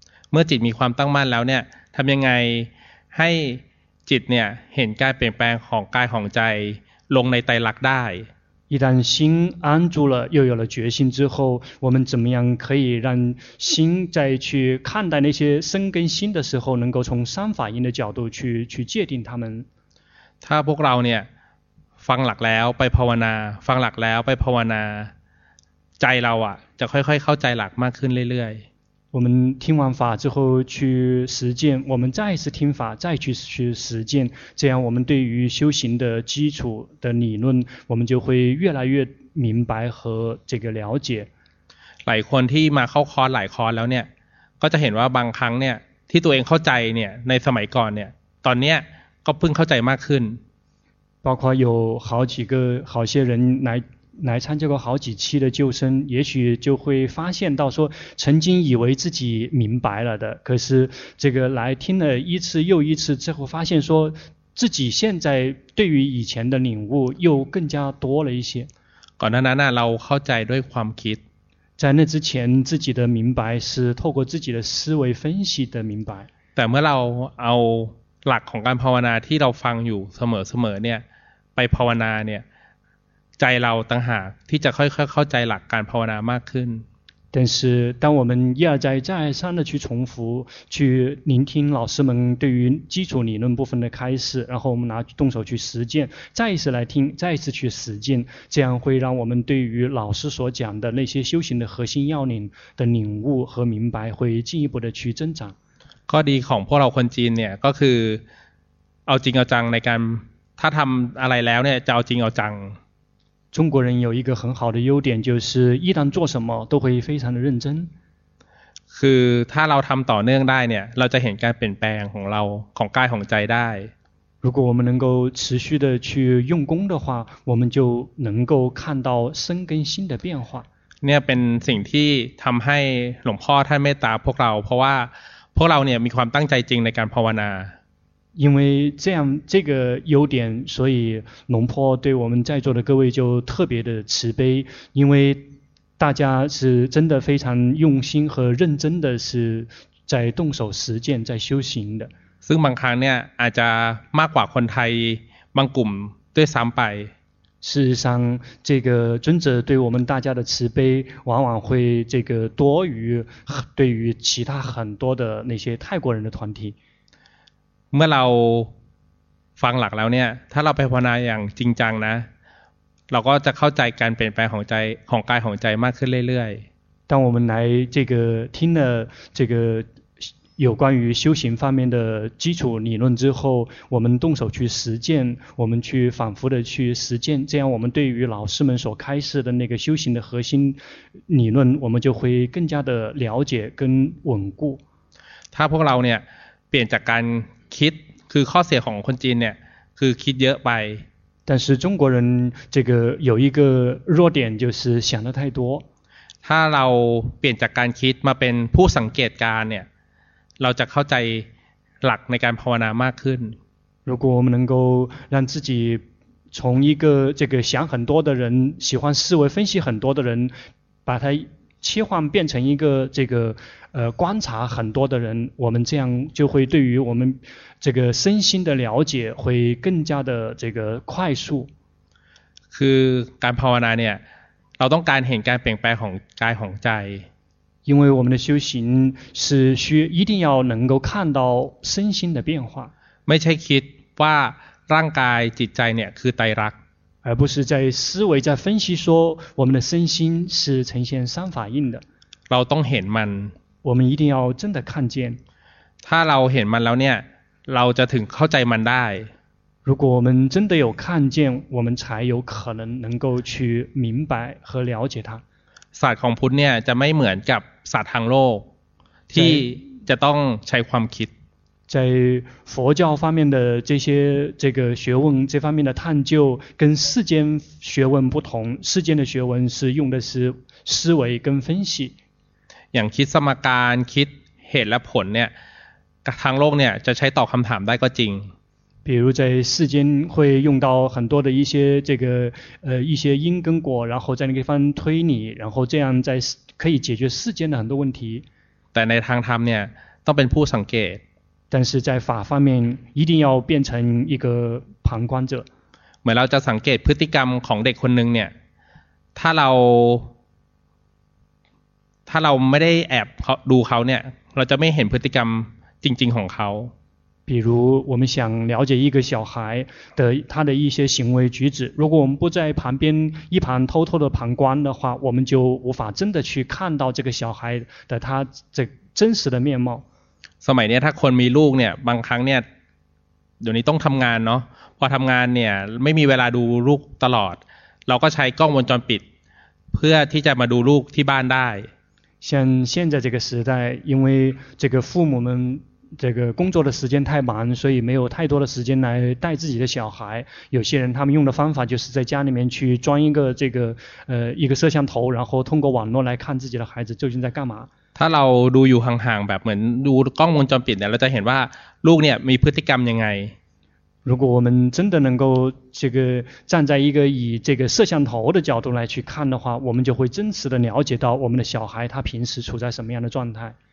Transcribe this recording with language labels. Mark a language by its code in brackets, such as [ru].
[th] เมื่อจิตมีความตั้งมั่นแล้วเนี่ยทำยังไงให้จิตเนี่ยเห็นการเปลี่ยนแปลงของกายของใจลงในไตรลักษณ์ได้ [zh] 一旦心安住了又有了决心之后我们怎么样可以让心再去看待那些身跟心的时候能够从三法印的角度去界定他们 [th] ถ้าพวกเราเนี่ยฟังหลักแล้วไปภาวนาฟังหลักแล้วไปภาวนาใจเราอ่ะจะค่อยๆเข้าใจหลักมากขึ้นเรื่อย [zh] ๆ我们听完法之后去实践我们再次听法再去实践这样我们对于修行的基础的理论我们就会越来越明白和这个了解 [th] หลายคนที่มาเข้าคอร์สหลายคอร์สแล้วเนี่ยก็จะเห็นว่าบางครั้งเนี่ยที่ตัวเองเข้าใจเนี่ยในสมัยก่อนเนี่ยตอนเนี้ยก็เพิ่งเข้าใจมากขึ้น [zh] 包括有好几个好些人来参加过好几期的救生也许就会发现到说曾经以为自己明白了的可是这个来听了一次又一次之后发现说自己现在对于以前的领悟又更加多了一些 [th] ก่อนหน้านั้นเราเข้าใจด้วยความคิด [zh] 在那之前自己的明白是透过自己的思维分析的明白 [th] แต่เมื่อเราเอาหลักของการภาวนาที่เราฟังอยู่เสมอๆเนี่ยไปภาวนาเนี่ยใจเราต่างหากที่จะค่อยๆเข้าใจหลักการภาวนามากขึ้น [zh] 但是当我们一而再再三的去重复去聆听老师们对于基础理论部分的开示然后我们拿动手去实践再一次来听再一次去实践这样会让我们对于老师所讲的那些修行的核心要领的领悟和明白会进一步的去增长 [th] ก็ดีของพวกเราคนจีนเนี่ยก็คือเอาจริงเอาจังในการถ้าทำอะไรแล้วเนี่ยจะเอาจริงเอาจัง [zh] 中国人有一个很好的优点就是一旦做什么都会非常的认真 [th] คือถ้าเราทำต่อเนื่องได้เนี่ยเราจะเห็นการเปลี่ยนแปลงของเราของกายของใจได้ [zh] 如果我们能够持续的去用功的话我们就能够看到身跟心的变化 [th] เนี่ยเป็นสิ่งที่ทำให้หลวงพ่อท่านเมตตาพวกเราเพราะว่าพวกเราเนี่ยมีความตั้งใจจริงในการภาวนา [zh] 因为这样这个优点所以龙婆对我们在座的各位就特别的慈悲因为大家是真的非常用心和认真的是在动手实践在修行的 [th] ซึ่งบางครั้งเนี่ยอาจจะมากกว่าคนไทยบางกลุ่มด้วยซ้ำไป [zh] 事实上这个尊者对我们大家的慈悲往往会这个多于对于其他很多的那些泰国人的团体 [th] เมื่อเราฟังหลักแล้วเนี่ยถ้าเราไปภาวนาอย่างจริงจังนะเราก็จะเข้าใจการเปลี่ยนแปลงของใจของกายของใจมากขึ้นเรื่อย [zh] ๆ当我们来这个听了这个有关于修行方面的基础理论之后我们动手去实践我们去反复的去实践这样我们对于老师们所开示的那个修行的核心理论我们就会更加的了解跟稳固 [th] ถ้าพวกเราเนี่ยเปลี่ยนจากการคิดคือข้อเสียของคนจีนเนี่ยคือคิดเยอะไป [zh] 但是中国人这个有一个弱点就是想的太多 [th] ถ ถ้าเราเปลี่ยนจากการคิดมาเป็นผู้สังเกตการเนี่ยเราจะเข้าใจหลักในการภาวนามากขึ้น [zh] 如果我们能够让自己从一个这个想很多的人喜欢思维分析很多的人把它切换变成一个这个观察很多的人我们这样就会对于我们这个身心的了解会更加的这个快速 [th] คือการภาวนาเนี่ยเราต้องการเห็นการเปลี่ยนแปลงของกายของใจ [zh] 因为我们的修行是需一定要能够看到身心的变化 [th] ไม่ใช่คิดว่าร่างกายจิตใจเนี่ยคือไตรลักษณ์ [zh] 而不是在思维在分析说我们的身心是呈现三法印的 [th] เราต้องเห็นมัน [zh] 我们一定要真的看见 [th] ถ้าเราเห็นมันแล้วเนี่ยเราจะถึงเข้าใจมันได้ [zh] 如果我们真的有看见，我们才有可能能够去明白和了解它。 [th] ศาสตร์ของพุทธเนี่ยจะไม่เหมือนกับศาสตร์ทางโลกที่จะต้องใช้ความคิด。 [zh] 在佛教方面的这些这个学问这方面的探究，跟世间学问不同。世间的学问是用的是思维跟分析。 [th] อย่างคิดสมการ、คิดเหตุและผลเนี่ย，ทางโลกเนี่ยจะใช้ตอบคำถามได้ก็จริง。 [zh] 比如在世间会用到很多的一些这个一些因跟果，然后在那个地方推理，然后这样在可以解决世间的很多问题。但 [th] ในทางธรรมเนี่ยต้องเป็นผู้สังเกต。 [zh] 但是在法方面一定要变成一个旁观者。 [th] เหมือนเราจะสังเกตพฤติกรรมของเด็กคนหนึ่งเนี่ยถ้าเราไม่ได้แอบดูเขาเนี่ยเราจะไม่เห็นพฤติกรรมจริงๆของเขา [zh] 比如我们想了解一个小孩的他的一些行为举止如果我们不在旁边一旁偷偷的旁观的话我们就无法真的去看到这个小孩的他这真实的面貌 [th] สมัยเนี้ยถ้าคนมีลูกเนี่ยบางครั้งเนี่ยเดี๋ยวนี้ต้องทำงานเนาะพอทำงานเนี่ยไม่มีเวลาดูลูกตลอดเราก็ใช้กล้องวงจรปิดเพื่อที่จะมาดูลูกที่บ้านได้ [zh] 像现在这个时代因为这个父母们这个工作的时间太忙所以没有太多的时间来带自己的小孩有些人他们用的方法就是在家里面去装一个这个一个摄像头然后通过网络来看自己的孩子究竟在干嘛 [th] ถ้าเราดูอยู่ห่างๆแบบเหมือนดูกล้องวงจรปิดเนี่ยเราจะเห็นว่าลูกเนี่ยมีพฤติกรรมยังไง [zh] 如果我们真的能够这个站在一个以这个摄像头的角度来去看的话我们就会真实的了解到我们的小孩他平时处在什么样的状态